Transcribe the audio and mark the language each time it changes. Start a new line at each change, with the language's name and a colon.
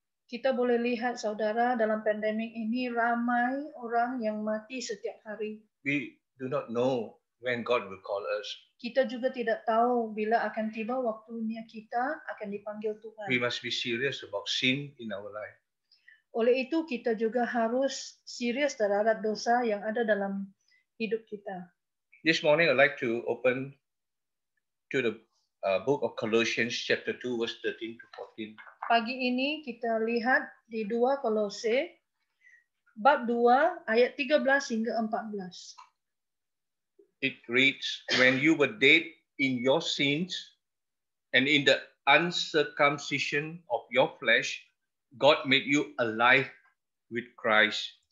Malay: Kita boleh lihat saudara dalam pandemik ini ramai orang yang mati setiap hari.
English: We do not know when God will call us.
Malay: Kita juga tidak tahu bila akan tiba waktunya kita akan dipanggil Tuhan.
English: We must be serious about sin in our life.
Malay: Oleh itu kita juga harus serius terhadap dosa yang ada dalam hidup kita.
English: This morning I'd like to open to the book of Colossians chapter 2 verse 13 to 14.
Malay: Pagi ini kita lihat di 2 Kolose bab 2 ayat 13 hingga 14.
English: It reads, when you were dead in your sins and in the uncircumcision of your flesh, God made you alive with Christ.